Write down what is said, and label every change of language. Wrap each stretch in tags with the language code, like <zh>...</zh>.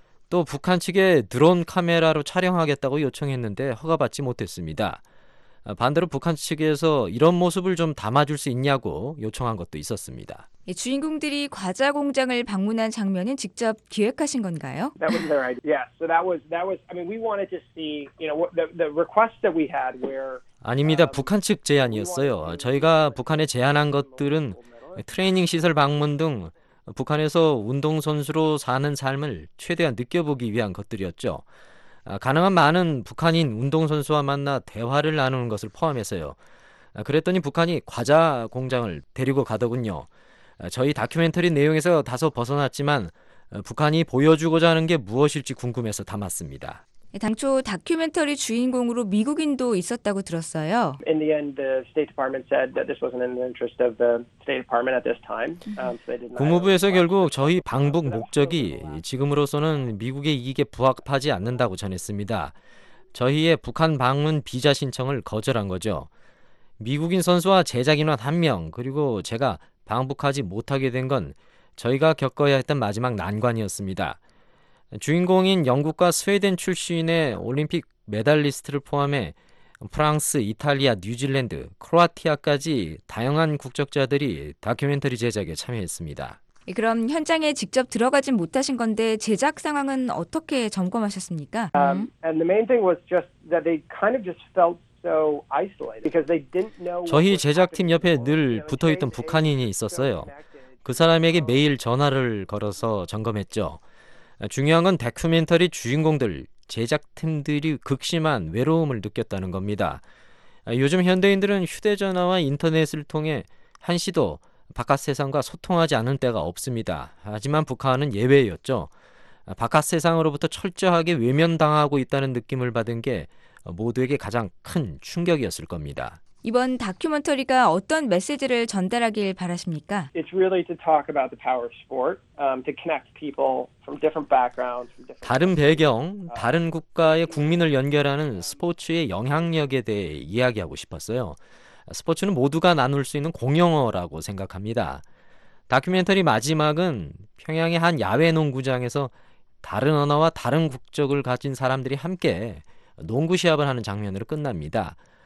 <ko>또 북한 측에 드론 카메라로 촬영하겠다고 요청했는데 허가받지 못했습니다. 반대로 북한 측에서 이런 모습을 좀 담아줄 수 있냐고 요청한 것도 있었습니다. 주인공들이 과자 공장을 방문한 장면은 직접 기획하신 건가요?</ko> <en>That was their idea. Yeah, so that was. I mean, we wanted to see, you know, the request that we had where.</en> <ko>아닙니다. 북한 측 제안이었어요. 저희가 북한에 제안한 것들은 트레이닝 시설 방문 등 북한에서 운동선수로 사는 삶을 최대한 느껴보기 위한 것들이었죠. 가능한 많은 북한인 운동선수와 만나 대화를 나누는 것을 포함해서요. 그랬더니 북한이 과자 공장을 데리고 가더군요. 저희 다큐멘터리 내용에서 다소 벗어났지만 북한이 보여주고자 하는 게 무엇일지 궁금해서 담았습니다. 당초 다큐멘터리 주인공으로 미국인도 있었다고 들었어요.</ko> <en>In the end, the State Department said that this wasn't in the interest of the State Department at this time. So they did not.</en> <ko>국무부에서 결국 저희 방북 목적이 지금으로서는 미국의 이익에 부합하지 않는다고 전했습니다. 저희의 북한 방문 비자 신청을 거절한 거죠. 미국인 선수와 제작인원 한 명, 그리고 제가 방북하지 못하게 된 건 저희가 겪어야 했던 마지막 난관이었습니다. 주인공인 영국과 스웨덴 출신의 올림픽 메달리스트를 포함해 프랑스, 이탈리아, 뉴질랜드, 크로아티아까지 다양한 국적자들이 다큐멘터리 제작에 참여했습니다. 그럼 현장에 직접 들어가진 못하신 건데 제작 상황은 어떻게 점검하셨습니까?</ko> <en>And the main thing was just that they kind of just felt so isolated because they didn't know.</en> <ko>저희 제작팀 옆에 늘 붙어있던 북한인이 있었어요. 그 사람에게 매일 전화를 걸어서 점검했죠. 중요한 건 다큐멘터리 주인공들, 제작팀들이 극심한 외로움을 느꼈다는 겁니다. 요즘 현대인들은 휴대전화와 인터넷을 통해 한시도 바깥세상과 소통하지 않을 때가 없습니다. 하지만 북한은 예외였죠. 바깥세상으로부터 철저하게 외면당하고 있다는 느낌을 받은 게 모두에게 가장 큰 충격이었을 겁니다. 이번 다큐멘터리가 어떤 메시지를 전달하길 바라십니까?</ko> <en>It's really to talk about the power of sport, to connect people from different backgrounds, from different</en> <ko>다른 배경, 다른 국가의 국민을 연결하는 스포츠의 영향력에 대해 이야기하고 싶었어요. 스포츠는 모두가 나눌 수 있는 공용어라고 생각합니다. 다큐멘터리 마지막은 평양의 한 야외 농구장에서 다른 언어와 다른 국적을 가진 사람들이 함께 농구 시합을 하는 장면으로 끝납니다.</ko>